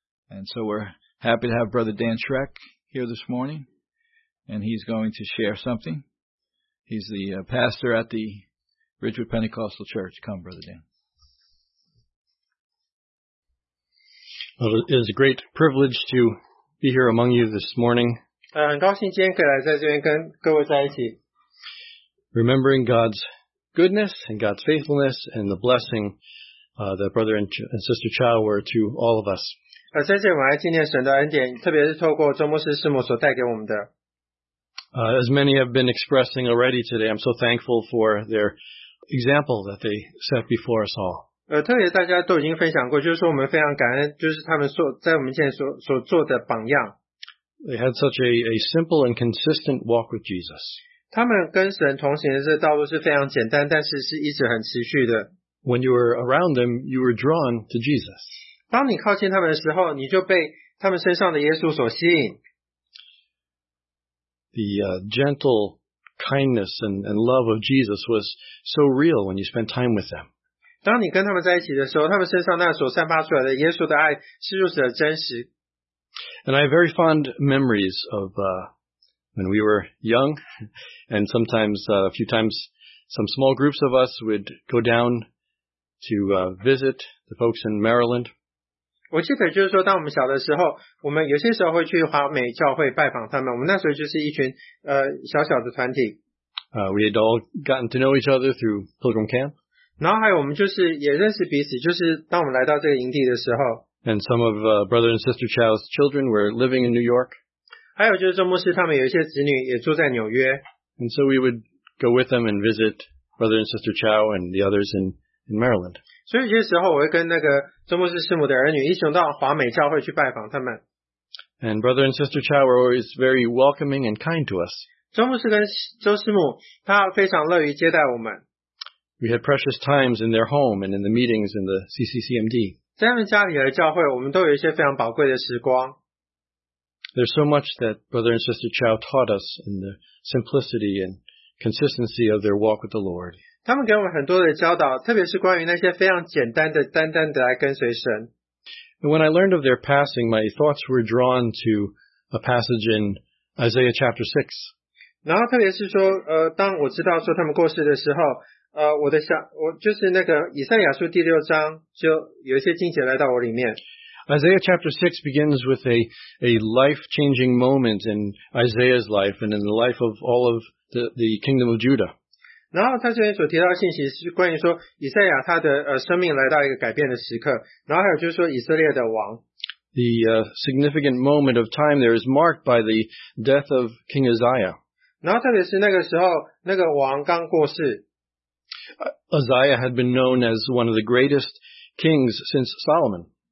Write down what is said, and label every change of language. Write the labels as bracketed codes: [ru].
[en] And so we're happy to have Brother Dan Schreck here this morning. And he's going to share something. He's the pastor at the Ridgewood Pentecostal Church. Come, Brother Dan. Well, it is a great privilege to be here among you this morning. [zh] 很高兴今天可以来在这边跟各位在一起。 [en] Remembering God's goodness and God's faithfulness and the blessing that Brother and Sister Chow were to all of us. [zh] 在这里我们来纪念神的恩典，特别是透过周牧师师母所带给我们的。 [en] As many have been expressing already today, I'm so thankful for their example that they set before us all. [zh] 特别大家都已经分享过，就是说我们非常感恩，就是他们所在我们现在所做的榜样。 [en] They had such a simple and consistent walk with Jesus. [zh] 他们跟神同行的这道路是非常简单，但是是一直很持续的。 [en] When you were around them, you were drawn to Jesus. [zh] 当你靠近他们的时候，你就被他们身上的耶稣所吸引。 [en] The gentle kindness and love of Jesus was so real when you spent time with them. [zh] 当你跟他们在一起的时候，他们身上那所散发出来的耶稣的爱是如此的真实。 [en] And I have very fond memories of when we were young, and sometimes a few times some small groups of us would go down to visit the folks in Maryland. [zh] 我记得就是说，当我们小的时候，我们有些时候会去华美教会拜访他们。我们那时候就是一群小小的团体。 [en] We had all gotten to know each other through Pilgrim Camp. [zh] 然后还有我们就是也认识彼此，就是当我们来到这个营地的时候。 [en] And some of Brother and Sister Chow's children were living in New York. [zh] 还有就是钟牧师他们有一些子女也住在纽约。 [en] And so we would go with them and visit Brother and Sister Chow and the others in Maryland. [zh] 所以有些时候我会跟那个钟牧师师母的儿女一起到华美教会去拜访他们。 [en] And Brother and Sister Chow were always very welcoming and kind to us. [zh] 钟牧师跟周师母他非常乐于接待我们。 [en] We had precious times in their home and in the meetings in the CCCMD. [zh] 在他们家里的教会，我们都有一些非常宝贵的时光。 [en] There's so much that Brother and Sister Chow taught us in the simplicity and consistency of their walk with the Lord. [zh] 他们给我们很多的教导，特别是关于那些非常简单的、单单的来跟随神。 [en] And when I learned of their passing, my thoughts were drawn to a passage in Isaiah chapter 6. [zh] 然后特别是说，当我知道说他们过世的时候。我就是那个以赛亚书第六章就有一些经节来到我里面。 [en] Isaiah chapter 6 begins with a life-changing moment in Isaiah's life and in the life of all of the kingdom of Judah. [zh] 然后他这边所提到的信息是关于说以赛亚他的生命来到一个改变的时刻，然后还有就是说以色列的王。 [en] The significant moment of time there is marked by the death of King Uzziah. [zh] 然后特别是那个时候那个王刚过世。 [en] Uzziah had been known as one of the greatest kings since Solomon.